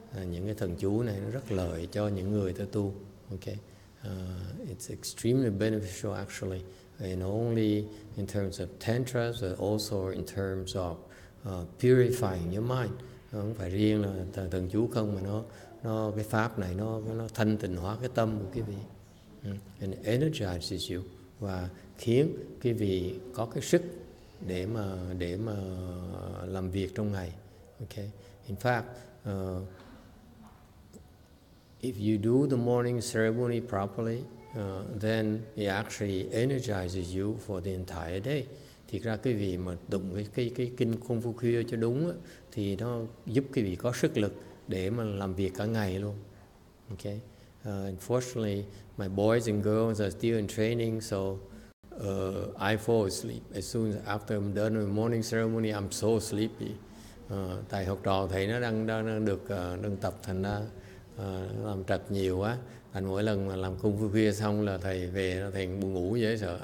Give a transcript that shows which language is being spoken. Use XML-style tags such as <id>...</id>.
<vi>Những cái thần chú này nó rất lợi cho những người ta tu.</vi> <en>Okay. It's extremely beneficial actually, and only in terms of tantras, but also in terms of purifying your mind.</en> <vi>Không phải riêng là thần chú không, mà nó cái pháp này nó thanh tịnh hóa cái tâm của quý vị.</vi> <en>And energizes you,</en> <vi>và khiến quý vị có cái sức để mà làm việc trong ngày.</vi> <en>Okay. In fact, if you do the morning ceremony properly, then it actually energizes you for the entire day.</en> <vi>Thì ra quý vị mà đụng cái kinh công phu khuya cho đúng á, thì nó giúp quý vị có sức lực để mà làm việc cả ngày luôn.</vi> <en>Okay. Unfortunately, my boys and girls are still in training, so I fall asleep as soon as after I'm done with morning ceremony. I'm so sleepy.</en> <vi>Tại học trò thầy nó đang được đang tập, thành ra làm trật nhiều quá. Thành mỗi lần mà làm công phu khuya xong là thầy về nó thành buồn ngủ dễ sợ.</vi>